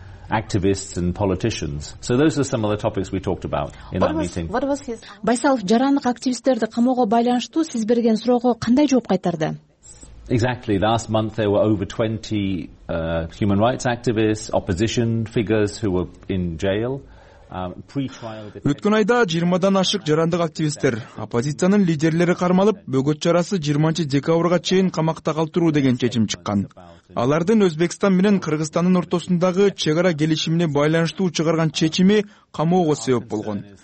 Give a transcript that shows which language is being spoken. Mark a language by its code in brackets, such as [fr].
[en] Activists and politicians. So those are some of the topics we talked about in that meeting. What was his... [ky] Байсалов жарандык активисттерди камоого байланыштуу сиз берген суроого кандай жооп кайтарды? [en] Exactly. Last month there were over 20 human rights activists, opposition figures who were in jail. [ky] Өткөн айда 20-дан ашык жарандык активисттер, оппозициянын лидерлери кармалып, бөгөт чарасы 20 декабрга чейин камакта калтыруу деген чечим чыккан. Алардын Өзбекстан менен Кыргызстандын ортосундагы чек ара келишимине байланыштуу чыгарган чечими камоого себеп болгон.